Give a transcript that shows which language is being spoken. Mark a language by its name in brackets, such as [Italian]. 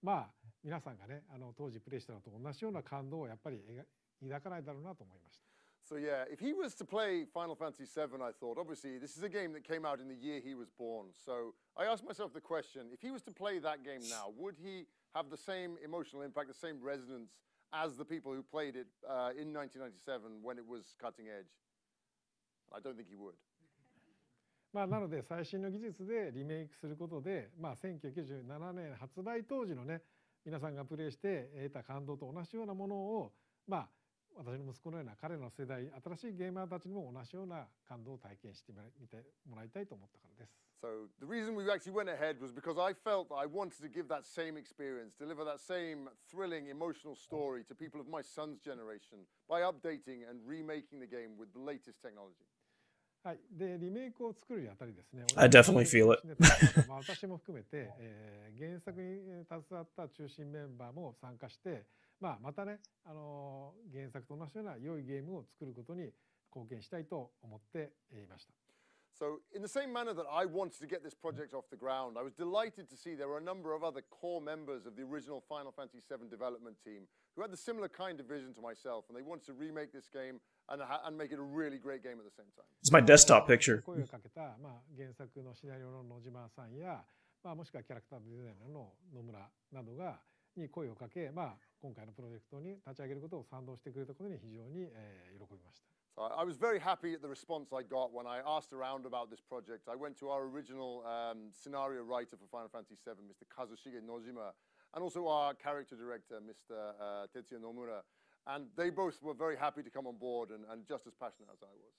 [Japanese] まあ皆さんがね、あの当時プレイしたのと同じような感動をやっぱり抱かないだろうなと思いました。 [English] So yeah, if he was to play Final Fantasy VII, I thought, obviously, this is a game that came out in the year he was born. So I asked myself the question, if he was to play that game now, would he have the same emotional impact, the same resonance as the people who played it in 1997 when it was cutting edge? I don't think he would. [Japanese] まあなので最新の技術でリメイクすることで、まあ1997年発売当時のね、皆さんがプレイして得た感動と同じようなものを、まあ私の息子のような彼の世代、新しいゲーマーたちにも同じような感動を体験してみてもらいたいと思ったからです。 [English] So the reason we actually went ahead was because I felt I wanted to give that same experience, deliver that same thrilling emotional story to people of my son's generation by updating and remaking the game with the latest technology. [Japanese] はい、でリメイクを作るにあたりですね。 [English] I definitely feel it. [Japanese] 私も含めて、原作に携わった中心メンバーも参加して、まあ、またね、原作と同じような良いゲームを作ることに貢献したいと思っていました。 [English] So, in the same manner that I wanted to get this project off the ground, I was delighted to see there were a number of other core members of the original Final Fantasy VII development team who had the similar kind of vision to myself, and they wanted to remake this game and make it a really great game at the same time. It's my desktop picture. [Japanese] 声をかけた、まあ、原作のシナリオの野島さんや、まあ、もしくはキャラクターデザイナーの野村などがに声をかけ、まあ今回のプロジェクトに立ち上げることを賛同してくれたことに非常に、喜びました。 [English] So I was very happy at the response I got when I asked around about this project. I went to our original scenario writer for Final Fantasy VII, Mr. Kazushige Nojima, and also our character director, Mr. Tetsuya Nomura, and they both were very happy to come on board and just as passionate as I was.